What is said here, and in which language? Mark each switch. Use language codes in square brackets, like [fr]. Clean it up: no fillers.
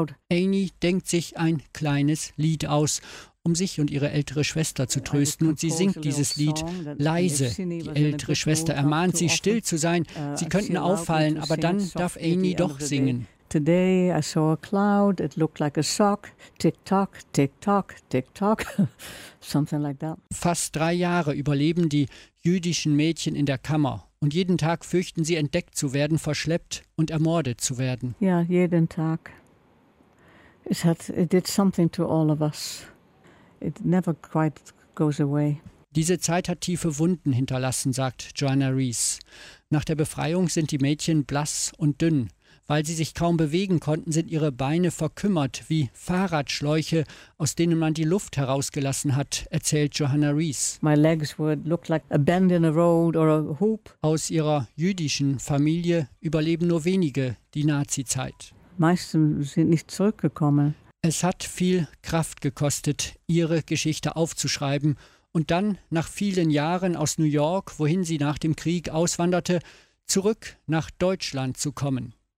[de] Amy denkt sich ein kleines Lied aus, um sich und ihre ältere Schwester zu trösten. Und sie singt dieses Lied leise. Die ältere Schwester ermahnt sie, still zu sein. Sie könnten auffallen, aber dann darf Amy doch singen. [en] Today I saw a cloud, it looked like a sock. Tick-tock, tick-tock, tick-tock. Something like that. [de] Fast 3 Jahre überleben die jüdischen Mädchen in der Kammer. Und jeden Tag fürchten sie, entdeckt zu werden, verschleppt und ermordet zu werden. Ja, jeden Tag. [en] It did something to all of us. It never quite goes away. [de] Diese Zeit hat tiefe Wunden hinterlassen, sagt Johanna Rees. Nach der Befreiung sind die Mädchen blass und dünn. Weil sie sich kaum bewegen konnten, sind ihre Beine verkümmert wie Fahrradschläuche, aus denen man die Luft herausgelassen hat, erzählt Johanna Rees. [en] My legs would look like a bend in a road or a hoop. [de] Aus ihrer jüdischen Familie überleben nur wenige die Nazi-Zeit. Meisten sind nicht zurückgekommen. Es hat viel Kraft gekostet, ihre Geschichte aufzuschreiben und dann nach vielen Jahren aus New York, wohin sie nach dem Krieg auswanderte, zurück nach Deutschland zu kommen.